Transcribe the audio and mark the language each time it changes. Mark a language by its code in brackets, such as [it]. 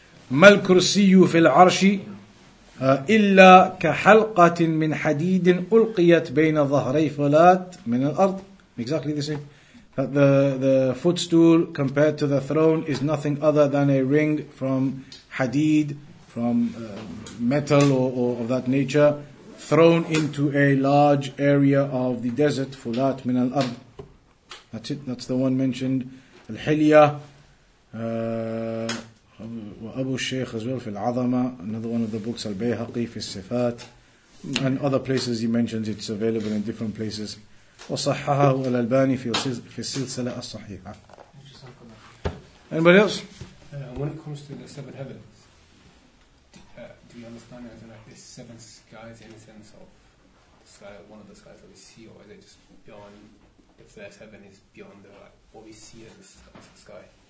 [ar] ما الكرسي في العرش إلا كحلقة من حديد ألقيت بين ظهري فلات من الأرض. [en] Exactly the same. The footstool compared to the throne is nothing other than a ring from hadid, from metal or of that nature, thrown into a large area of the desert. Fulat min al ard. That's it. That's the one mentioned. Al hilya, Abu Shaykh as well. Fil adama, another one of the books. Al bayhaqi fi sifat, and other places he mentions it's available in different places. [ar] وصححه الألباني في السلسلة الصحيحة. [en] Anybody else? When it comes to the seven heavens, do you understand it as like the seven skies in the sense of the sky, one of the skies that we see, or is it just beyond, the first heaven is beyond the, like, what we see as the sky?